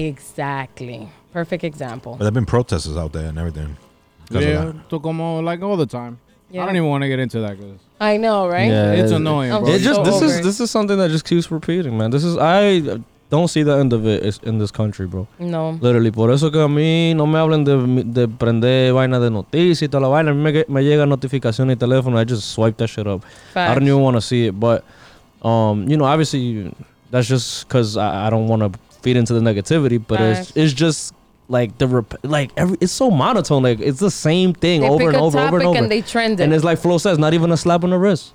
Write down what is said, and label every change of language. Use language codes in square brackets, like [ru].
[en] Exactly. Perfect example. But there have been protests out there and everything. Yeah, Tocomo, like all the time. Yeah. I don't even want to get into that. Cause I know, right? Yeah, it's annoying, bro. This is something that just keeps repeating, man. Don't see the end of it in this country, bro. No. Literally. [es] Por eso que a mí no me hablen de prender vaina de noticias y toda la vaina. A mí me llega notificación y teléfono. [en] I just swipe that shit up. Facts. I don't even want to see it. But, you know, obviously, that's just because I don't want to feed into the negativity. But it's just like it's so monotone. Like, it's the same thing over and over. They trend it. And it's like Flo says, not even a slap on the wrist.